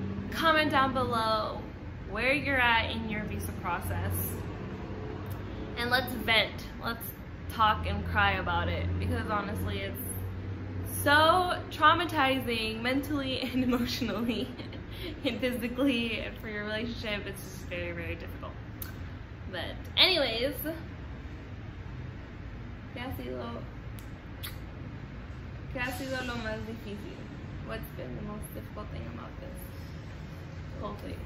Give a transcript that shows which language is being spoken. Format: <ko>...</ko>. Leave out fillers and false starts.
<en>Comment down below where you're at in your visa process. And let's vent, let's talk and cry about it, because honestly, it's so traumatizing mentally and emotionally and physically and for your relationship. It's just very, very difficult. But anyways,</en> <es>¿Qué ha sido lo más difícil?</es> <en>What's been the most difficult thing about this whole thing?</en>